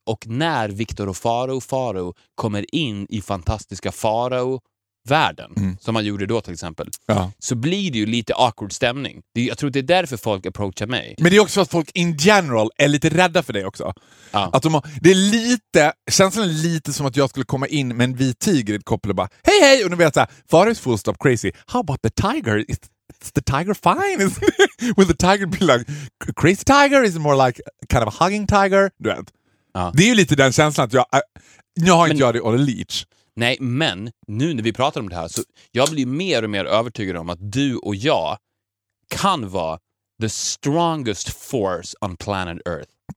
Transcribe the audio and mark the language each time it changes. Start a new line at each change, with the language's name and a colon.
Swedish: Och när Victor och Faro och Faro kommer in i fantastiska Faro-världen, som man gjorde då till exempel, så blir det ju lite awkward stämning. Jag tror det är därför folk approachar mig. Men det är också att folk
English: in general
Swedish: är lite rädda för dig också. Ja. Att de har, det är lite, känslan lite som att jag skulle komma in med en vit tiger i ett koppel och bara, hej hej, och nu vet jag,
English: Faro is full stop crazy. How about the tiger? It's the tiger fine, isn't it? Will the tiger be like, crazy tiger? Is it more like kind of a hugging tiger?
Swedish: Du vet. Ja. Det är ju lite den känslan att jag, nu har inte jag det
English: on a leech.
Swedish: Nej, men nu när vi pratar om det här så jag blir mer och mer övertygad om att du och jag kan vara
English: the strongest force on planet Earth.